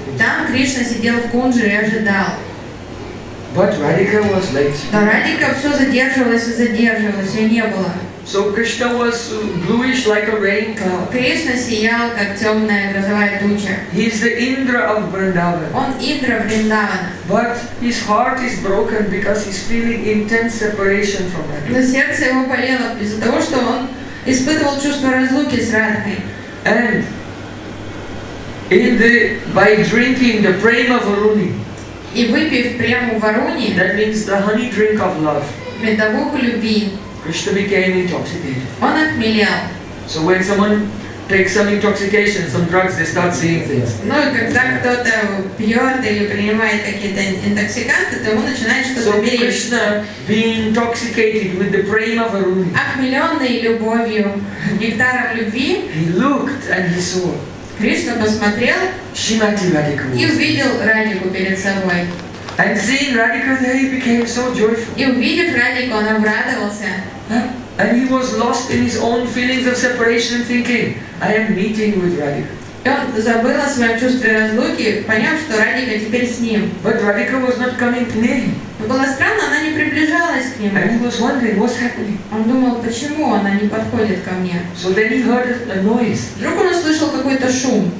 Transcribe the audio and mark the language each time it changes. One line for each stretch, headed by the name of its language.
Russian: Там Кришна сидел в кунджре и ожидал.
English: But Radhika was late.
Russian: Но Радика все задерживалось и задерживалось, ее не было.
English: So Krishna was bluish like a rain cloud.
Russian: Кришна сиял как темная грозовая туча.
English: He is the Indra of Vrindavan.
Russian: Он Индра Вриндавана.
English: But his heart is broken because he's feeling intense separation from Radhika.
Russian: Но сердце его болело из-за того, что он испытывал чувство разлуки с Радхой.
English: And in the by drinking the prema varuni.
Russian: И выпив прему варуни.
English: That means the honey drink of love.
Russian: Медовуху любви.
English: Krishna became intoxicated.
Russian: Он
English: so when someone takes some intoxication, some drugs, they start seeing things.
Russian: Ну когда кто-то пьет или принимает какие-то интоксиканты, то ему начинает что-то видеть.
English: So Krishna being intoxicated with the prema of Varuni.
Russian: Охмеленный любовью, нектаром любви.
English: He looked and he saw.
Russian: Кришна посмотрел.
English: Shrimati Radhika.
Russian: И увидел Радику перед собой.
English: And seeing Radhika there, he became so joyful.
Russian: И увидев Радику, он обрадовался.
English: And he was lost in his own feelings of separation, thinking, I am meeting with Radhika.
Russian: И он забыл о своем чувстве разлуки, поняв, что Радика теперь с ним.
English: But Radhika was not coming near him.
Russian: Но было странно, она не приближалась к нему.
English: And he was wondering what's happening.
Russian: Он думал, почему она не подходит ко мне.
English: So then he heard a noise.
Russian: Вдруг он услышал какой-то шум.